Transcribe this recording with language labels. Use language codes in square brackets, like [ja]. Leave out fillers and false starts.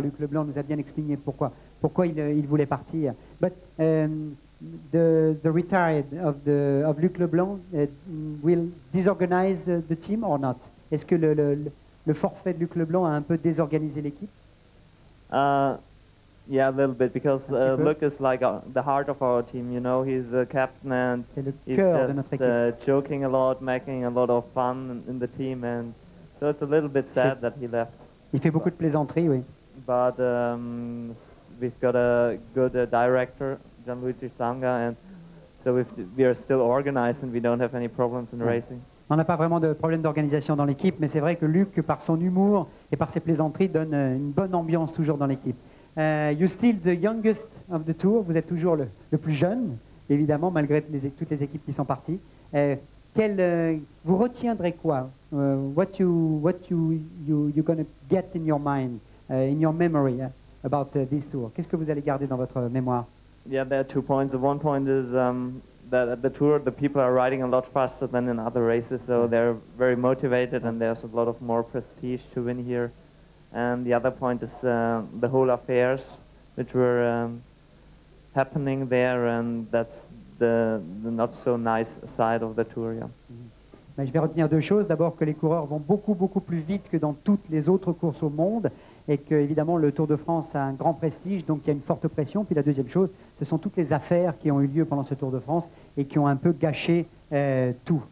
[fr] Luc Leblanc nous a bien expliqué pourquoi il voulait partir. [en] But the retired of Luc Leblanc will disorganize the team or not? [fr] Est-ce que le forfait de Luc Leblanc a un peu désorganisé l'équipe? [en] Yeah, a little bit because Luc is like the heart of our team. You know, he's the captain and [fr] c'est le cœur de notre équipe. [en] Joking a lot, making a lot of fun in the team and. So it's a little bit sad that he left. [fr] Il fait beaucoup de plaisanteries, oui. [en] But we've got a good director, Gianluigi Sanga, and so we are still organized and we don't have any problems in racing. [fr] On n'a pas vraiment de problème d'organisation dans l'équipe, mais c'est vrai que Luc, par son humour et par ses plaisanteries, donne une bonne ambiance toujours dans l'équipe. [en] You're still the youngest of the tour. [fr] Vous êtes toujours le plus jeune, évidemment, malgré toutes les équipes qui sont parties. Vous retiendrez quoi? [en] What you gonna get in your mind, in your memory about this tour? [fr] Qu'est-ce que vous allez garder dans votre mémoire? [en] Yeah, there are two points. One point is that at the tour, the people are riding a lot faster than in other races, so they're very motivated and there's a lot of more prestige to win here. And the other point is the whole affairs which were happening there, and that's the not so nice side of the tour. Yeah. [fr] Mais je vais retenir deux choses. D'abord, que les coureurs vont beaucoup, beaucoup plus vite que dans toutes les autres courses au monde. Et que, évidemment, le Tour de France a un grand prestige, donc il y a une forte pression. Puis la deuxième chose, ce sont toutes les affaires qui ont eu lieu pendant ce Tour de France et qui ont un peu gâché tout.